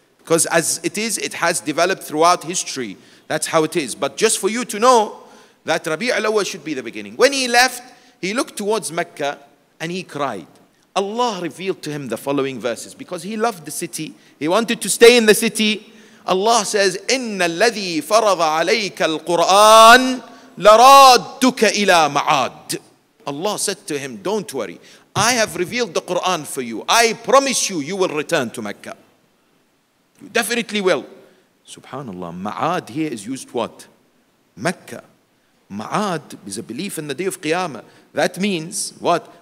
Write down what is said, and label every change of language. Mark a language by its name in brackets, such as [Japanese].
[English] Because as it is, it has developed throughout history. That's how it is. But just for you to know that Rabi' al-Awwal should be the beginning. When he left, he looked towards Mecca and he cried. Allah revealed to him the following verses. Because he loved the city, he wanted to stay in the city. Allah says, [Arabic] إِنَّ الَّذِي فَرَضَ عَلَيْكَ الْقُرْآنَ لَرَادُّكَ إِلَى مَعَادٍ. [English] Allah said to him, don't worry. I have revealed the Quran for you. I promise you, you will return to Mecca. You definitely will. Subhanallah, Ma'ad here is used what? Mecca. Ma'ad is a belief in the day of Qiyamah. That means what?